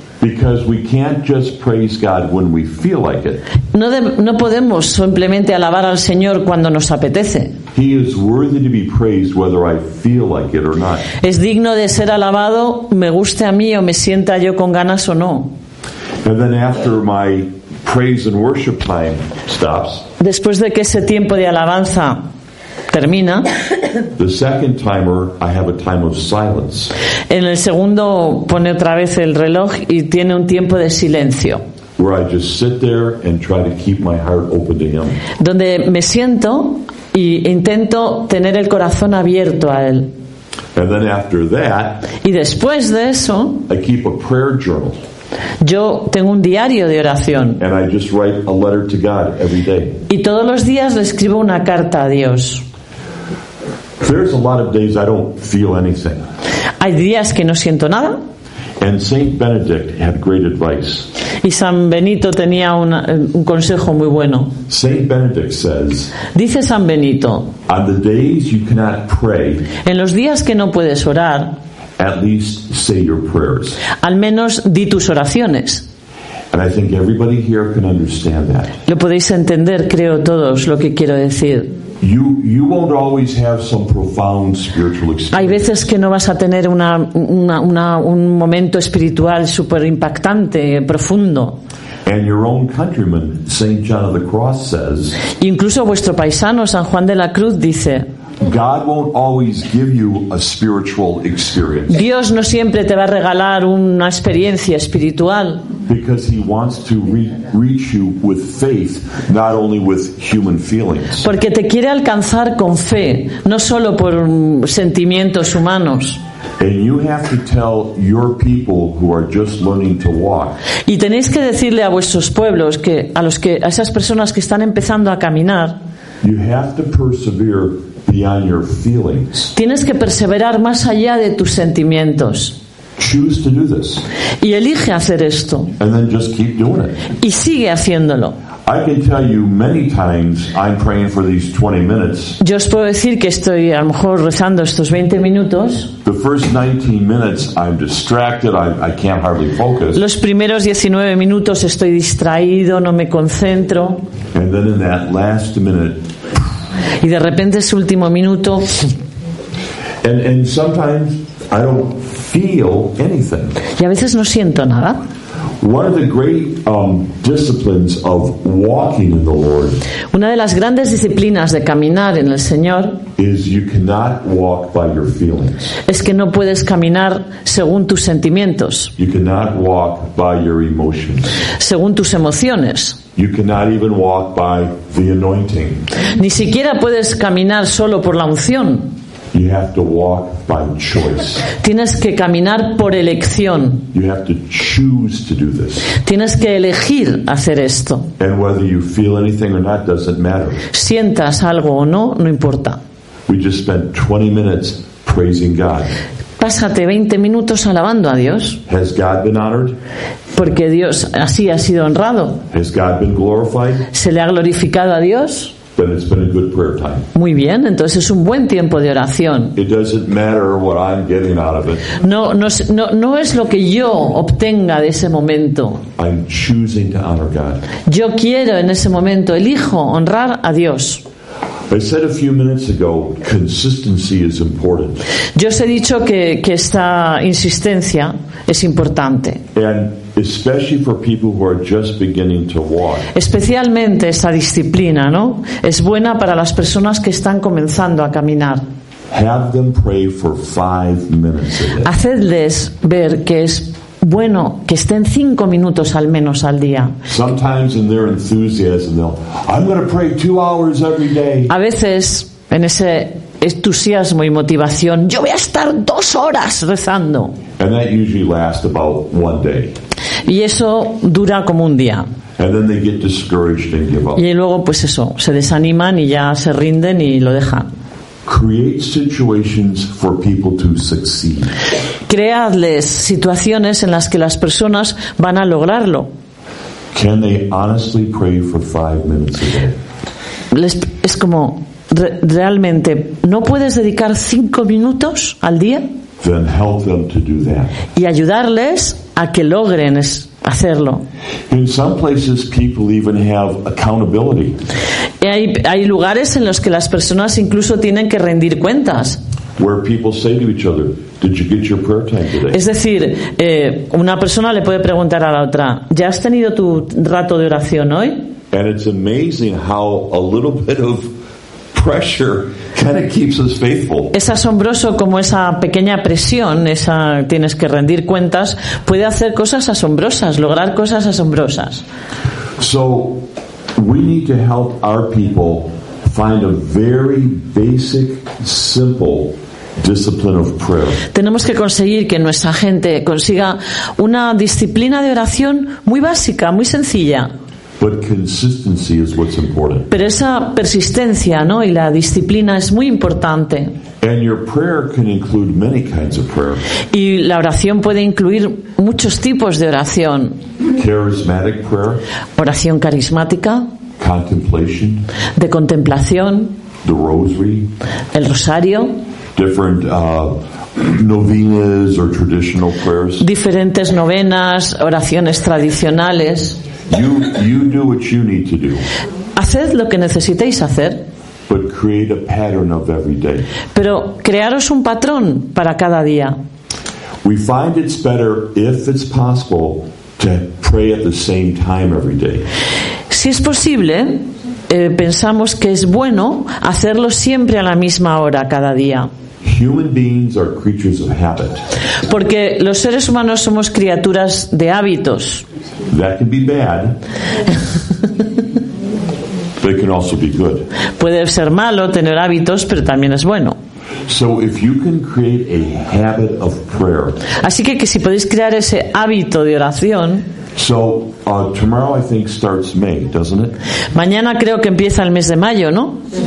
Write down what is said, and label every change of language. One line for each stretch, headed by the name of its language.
English: Because we can't just praise God when we feel like it.
Spanish: No podemos simplemente alabar al Señor cuando nos apetece.
English: He is worthy to be praised whether I feel like it or not.
Spanish: Es digno de ser alabado, me guste a mí o me sienta yo con ganas o no.
English: And then after my praise and worship time stops.
Spanish: Después de que ese tiempo de alabanza termina,
English: the second timer, I have a time of silence.
Spanish: En el segundo pone otra vez el reloj y tiene un tiempo de silencio.
English: Where I just sit there and try to keep my heart open to him.
Spanish: Donde me siento y intento tener el corazón abierto a él.
English: And then after that,
Spanish: y después de eso,
English: I keep a prayer journal.
Spanish: Yo tengo un diario de oración.
English: And I just write a letter to God every day.
Spanish: Y todos los días le escribo una carta a Dios.
English: There's a lot of days I don't feel anything.
Spanish: Hay días que no siento nada.
English: And Saint Benedict had great advice.
Spanish: Y San Benito tenía un consejo muy bueno.
English: Saint Benedict says,
Spanish: dice San Benito,
English: on the days you cannot pray,
Spanish: en los días que no puedes orar,
English: at least say your prayers.
Spanish: Al menos di tus oraciones.
English: And I think everybody here can understand that.
Spanish: Lo podéis entender, creo, todos lo que quiero decir.
English: You won't always have some profound spiritual experience.
Spanish: Hay veces que no vas a tener un momento espiritual super impactante, profundo.
English: And your own countryman, Saint John of the Cross, says.
Spanish: Incluso vuestro paisano San Juan de la Cruz dice.
English: God won't always give you a spiritual experience.
Spanish: Dios no siempre te va a regalar una experiencia espiritual.
English: Because he wants to reach you with faith, not only with human feelings.
Spanish: Porque te quiere alcanzar con fe, no solo por sentimientos humanos.
English: And you have to tell your people who are just learning to walk.
Spanish: Y tenéis que decirle a vuestros pueblos que a esas personas que están empezando a caminar.
English: You have to persevere beyond your feelings.
Spanish: Tienes que perseverar más allá de tus sentimientos.
English: Choose to do this.
Spanish: Y elige hacer esto.
English: And then just keep doing it.
Spanish: Y sigue haciéndolo.
English: I can tell you many times I'm praying for these 20 minutes.
Spanish: Yo os puedo decir que estoy a lo mejor rezando estos 20 minutos.
English: The first 19 minutes I'm distracted. I can't hardly focus.
Spanish: Los primeros 19 minutos estoy distraído, no me concentro.
English: And then in that last minute.
Spanish: Y de repente ese último minuto.
English: And sometimes I don't feel anything.
Spanish: Y a veces no siento nada.
English: One of the great disciplines of walking in the Lord.
Spanish: Una de las grandes disciplinas de caminar en el Señor.
English: Is you cannot walk by your feelings.
Spanish: Es que no puedes caminar según tus sentimientos.
English: You cannot walk by your emotions.
Spanish: Según tus emociones.
English: You cannot even walk by the anointing.
Spanish: Ni siquiera puedes caminar solo por la unción.
English: You have to walk by choice.
Spanish: Tienes que caminar por elección.
English: You have to choose to do this.
Spanish: Tienes que elegir hacer esto.
English: And whether you feel anything or not doesn't matter.
Spanish: Sientas algo o no, no importa.
English: We just spent 20 minutes praising God.
Spanish: Pásate 20 minutos alabando a Dios.
English: Has God been honored?
Spanish: Porque Dios así ha sido honrado.
English: Has God been glorified?
Spanish: ¿Se le ha glorificado a Dios?
English: Then it's been a good prayer time.
Spanish: Muy bien, entonces es un buen tiempo de oración.
English: It doesn't matter what I'm getting out of it.
Spanish: No es lo que yo obtenga de ese momento.
English: I'm choosing to honor God.
Spanish: Yo quiero en ese momento, elijo honrar a Dios.
English: I said a few minutes ago, consistency is important.
Spanish: Yo os he dicho que esta insistencia es importante.
English: And especially for people who are just beginning to walk.
Spanish: Especialmente esta disciplina, ¿no? Es buena para las personas que están comenzando a caminar.
English: Have them pray for 5 minutes a day.
Spanish: Hacedles ver que es bueno que estén 5 minutos al menos al día.
English: Sometimes in their enthusiasm, I'm going to pray 2 hours every day.
Spanish: A veces en ese entusiasmo y motivación, yo voy a estar 2 horas rezando.
English: And that usually lasts about one day.
Spanish: Y eso dura como un día.
English: And then they get discouraged and give up.
Spanish: Y luego, pues eso, se desaniman y ya se rinden y lo dejan.
English: Create situations for people to succeed.
Spanish: Creadles situaciones en las que las personas van a lograrlo.
English: Can they honestly pray for 5 minutes a day?
Spanish: Es como, realmente, ¿no puedes dedicar 5 minutos al día?
English: Then help them to do that.
Spanish: Y ayudarles a que logren hacerlo.
English: In some places, people even have accountability.
Spanish: Hay lugares en los que las personas incluso tienen que rendir cuentas.
English: Where people say to each other, "Did you get your prayer time today?"
Spanish: Es decir, una persona le puede preguntar a la otra, "¿Ya has tenido tu rato de oración hoy?"
English: And it's amazing how a little bit of pressure kind of keeps us faithful.
Spanish: Es asombroso cómo esa pequeña presión, esa tienes que rendir cuentas, puede hacer cosas asombrosas, lograr cosas asombrosas.
English: So we need to help our people find a very basic, simple discipline of prayer.
Spanish: Tenemos que conseguir que nuestra gente consiga una disciplina de oración muy básica, muy sencilla.
English: But consistency is what's important.
Spanish: Pero esa persistencia, ¿no? Y la disciplina es muy importante.
English: And your prayer can include many kinds of prayer.
Spanish: Y la oración puede incluir muchos tipos de oración.
English: Charismatic prayer.
Spanish: Oración carismática.
English: Contemplation.
Spanish: De contemplación.
English: The rosary.
Spanish: El rosario.
English: Different novenas or traditional prayers.
Spanish: Diferentes novenas, oraciones tradicionales.
English: You do what you need to do.
Spanish: Haced lo que necesitéis hacer.
English: But create a pattern of every day.
Spanish: Pero crearos un patrón para cada día.
English: We find it's better if it's possible to pray at the same time every day.
Spanish: Si es posible, pensamos que es bueno hacerlo siempre a la misma hora cada día.
English: Human beings are creatures of habit.
Spanish: Porque los seres humanos somos criaturas de hábitos.
English: That can be bad. But it can also be good.
Spanish: Puede ser malo tener hábitos, pero también es bueno.
English: So if you can create a habit of prayer.
Spanish: Así que si podéis crear ese hábito de oración.
English: So tomorrow I think starts May, doesn't it?
Spanish: Mañana creo que empieza el mes de mayo, ¿no?